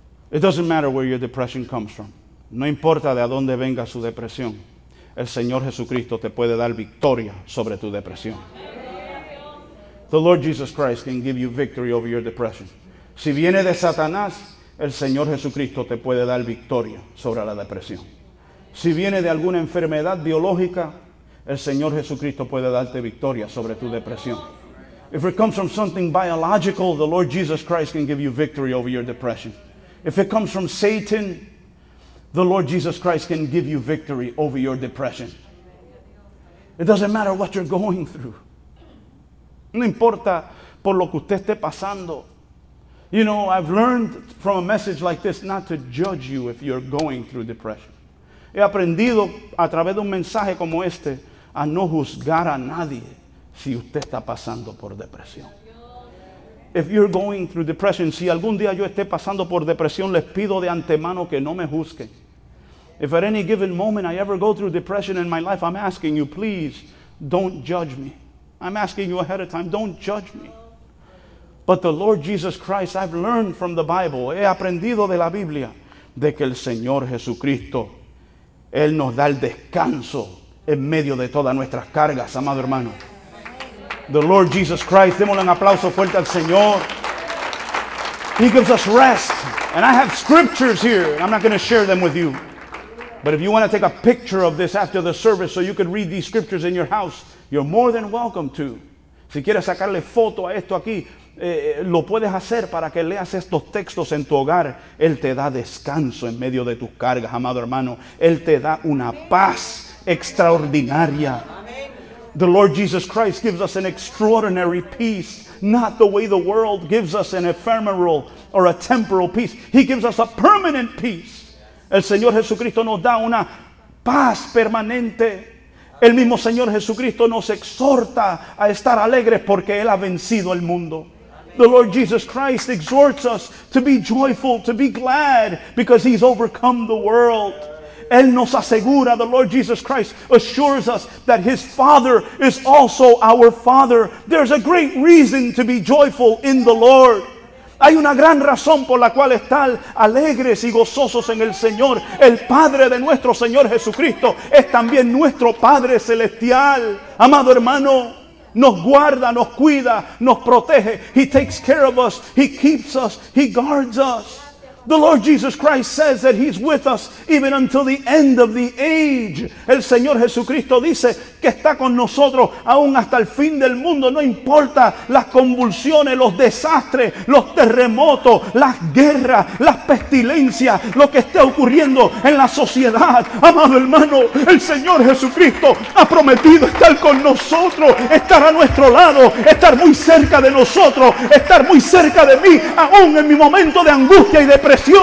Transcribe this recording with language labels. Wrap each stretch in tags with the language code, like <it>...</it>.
<en>It doesn't matter where your depression comes from.</en> <es>No importa de dónde venga su depresión. El Señor Jesucristo te puede dar victoria sobre tu depresión.</es> <en>The Lord Jesus Christ can give you victory over your depression.</en> <es>Si viene de Satanás, el Señor Jesucristo te puede dar victoria sobre la depresión. Si viene de alguna enfermedad biológica, el Señor Jesucristo puede darte victoria sobre tu depresión.</es> <en>If it comes from something biological, the Lord Jesus Christ can give you victory over your depression. If it comes from Satan, the Lord Jesus Christ can give you victory over your depression. It doesn't matter what you're going through.</en> <es>No importa por lo que usted esté pasando.</es> <en>You know, I've learned from a message like this not to judge you if you're going through depression.</en> <es>He aprendido a través de un mensaje como este a no juzgar a nadie si usted está pasando por depresión.</es> <en>If you're going through depression,</en> <es>si algún día yo esté pasando por depresión, les pido de antemano que no me juzguen.</es> <en>If at any given moment I ever go through depression in my life, I'm asking you, please, don't judge me. I'm asking you ahead of time, don't judge me. But the Lord Jesus Christ, I've learned from the Bible,</en> <es>he aprendido de la Biblia, de que el Señor Jesucristo, Él nos da el descanso en medio de todas nuestras cargas, amado hermano.</es> <en>The Lord Jesus Christ,</en> <es>démosle un aplauso fuerte al Señor.</es> <en>He gives us rest. And I have scriptures here. I'm not going to share them with you. But if you want to take a picture of this after the service so you can read these scriptures in your house, you're more than welcome to.</en> <es>Si quieres sacarle foto a esto aquí, lo puedes hacer para que leas estos textos en tu hogar. Él te da descanso en medio de tus cargas, amado hermano. Él te da una paz extraordinaria.</es> <en>The Lord Jesus Christ gives us an extraordinary peace, not the way the world gives us an ephemeral or a temporal peace. He gives us a permanent peace.</en> <es>El Señor Jesucristo nos da una paz permanente. El mismo Señor Jesucristo nos exhorta a estar alegres porque Él ha vencido el mundo.</es> <en>The Lord Jesus Christ exhorts us to be joyful, to be glad, because He's overcome the world.</en> <es>Él nos asegura,</es> <en>the Lord Jesus Christ assures us that His Father is also our Father. There's a great reason to be joyful in the Lord.</en> <es>Hay una gran razón por la cual estar alegres y gozosos en el Señor. El Padre de nuestro Señor Jesucristo es también nuestro Padre Celestial. Amado hermano, nos guarda, nos cuida, nos protege.</es> <en>He takes care of us, He keeps us, He guards us. The Lord Jesus Christ says that He's with us even until the end of the age.</en> <es>El Señor Jesucristo dice que está con nosotros aún hasta el fin del mundo. No importa las convulsiones, los desastres, los terremotos, las guerras, las pestilencias, lo que esté ocurriendo en la sociedad. Amado hermano, el Señor Jesucristo ha prometido estar con nosotros, estar a nuestro lado, estar muy cerca de nosotros, estar muy cerca de mí, aún en mi momento de angustia y de presión.</es>